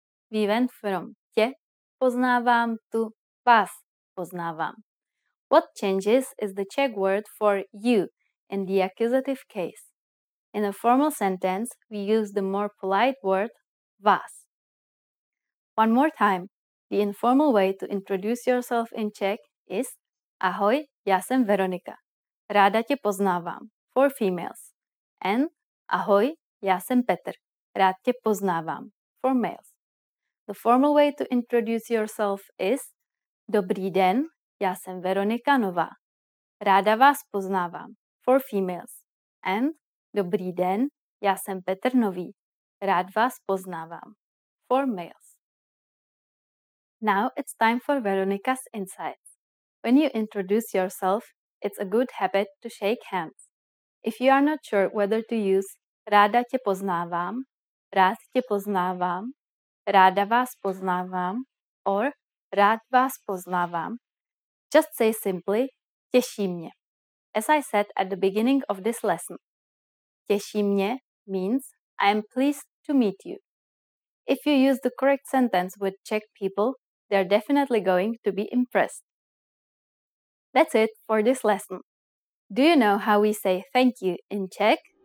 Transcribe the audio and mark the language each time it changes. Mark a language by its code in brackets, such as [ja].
[en] We went from tě poznávám to vás poznávám. What changes is the Czech word for you in the accusative case. In a formal sentence, we use the more polite word vás. One more time, the informal way to introduce yourself in Czech is Ahoj, já jsem Veronika. [cs] Ráda tě poznávám, for females. And ahoj, já jsem Petr. [en] Rád tě poznávám, for males. The formal way to introduce yourself is Dobrý den, já jsem Veronika Nová. [cs] Ráda vás poznávám, for females. And Dobrý den, já jsem Petr Nový. Rád vás poznávám, for males. [en] Now it's time for Veronika's insights. When you introduce yourself, it's a good habit to shake hands. If you are not sure whether to use ráda tě poznávám, rád tě poznávám, ráda vás poznávám, or rád vás poznávám, just say simply těší mě. As I said at the beginning of this lesson, těší mě means I am pleased to meet you. If you use the correct sentence with Czech people, they are definitely going to be impressed. That's it for this lesson. Do you know how we say thank you in Czech?